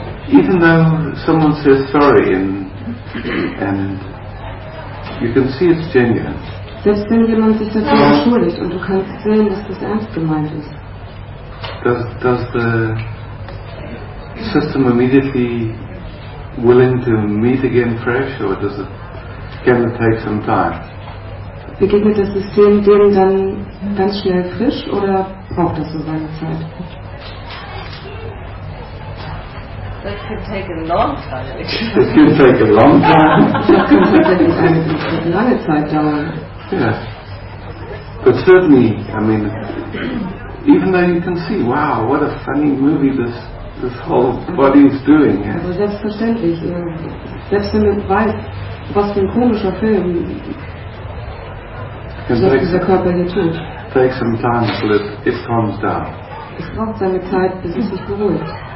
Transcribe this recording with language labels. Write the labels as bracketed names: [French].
[English] Even though someone says sorry and you can see it's genuine. [German] Selbst wenn jemand sich dafür entschuldigt und du kannst sehen, dass das ernst gemeint ist. [English] Does the system immediately willing to meet again fresh or does it gonna take some time? [German] begegnet das System dem dann ganz schnell frisch oder braucht das so seine Zeit? [English] That can take a long time. It can take a long time. [German] Das könnte eine lange Zeit dauern. [English] Yeah. But certainly, I mean, even though you can see, wow, what a funny movie this whole body is doing. Yeah. [German] Also selbstverständlich. Selbst wenn man weiß, was für ein komischer Film dieser Körper hier tut. [English] Take some time till it calms down. [German] Es braucht seine Zeit, bis es sich beruhigt.